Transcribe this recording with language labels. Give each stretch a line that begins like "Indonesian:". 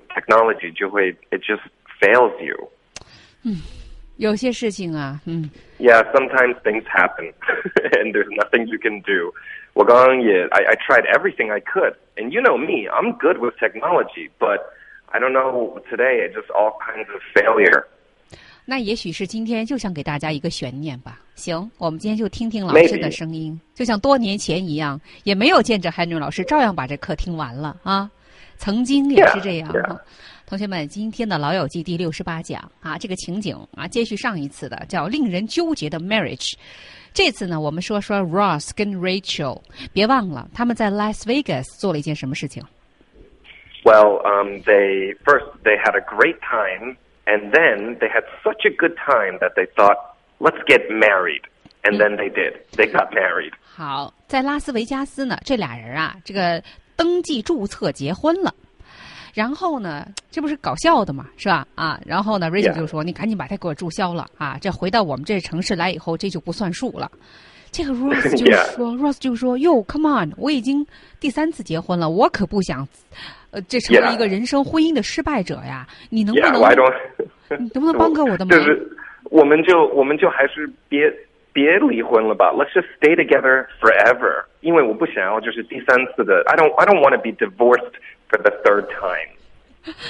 English: Technology
Chinese: 就会
English: it just fails you.
Chinese: 嗯，有些事情啊，嗯。
English: Yeah, sometimes things happen, and there's nothing you can do.
Chinese: 我刚刚也
English: I tried everything I could, and you know me, I'm good with technology, but I don't know today. It's just all kinds of failure.
Chinese: 那也许是今天就想给大家一个悬念吧。行，我们今天就听听老师的声音、
English: Maybe.
Chinese: 就像多年前一样，也没有见着 Henry 老师，照样把这课听完了啊。曾经也是这样
English: yeah, yeah.
Chinese: 同学们，今天的老友记第68讲啊，这个情景啊，接续上一次的叫令人纠结的 marriage。这次呢，我们说说 Ross 跟 Rachel， 别忘了他们在 Las Vegas 做了一件什么事情。
English: Well, they had a great time. And then they had such a good time that they thought, let's get married. And then they did. They got married.
Chinese: 好，在拉斯维加斯呢，这俩人啊，这个登记注册结婚了。然后呢，这不是搞笑的嘛，是吧？啊，然后呢 ，Rachel 就说：“
English: yeah.
Chinese: 你赶紧把他给我注销了啊！这回到我们这城市来以后，这就不算数了。” 这个 Ross 就说、
English: yeah.
Chinese: ：“Ross 就说，哟 ，
English: Come on，
Chinese: 我已经第三次结婚了，我可不想。” 这成了一个人生婚姻的失败者呀！
English: Yeah.
Chinese: 你能不能？
English: Yeah,
Chinese: 你能不能帮个我的忙？就是，我们就还是别离婚了吧。
English: Let's just stay together forever.
Chinese: 因为我不想要就是第三次的。
English: I don't want to be divorced for the third time.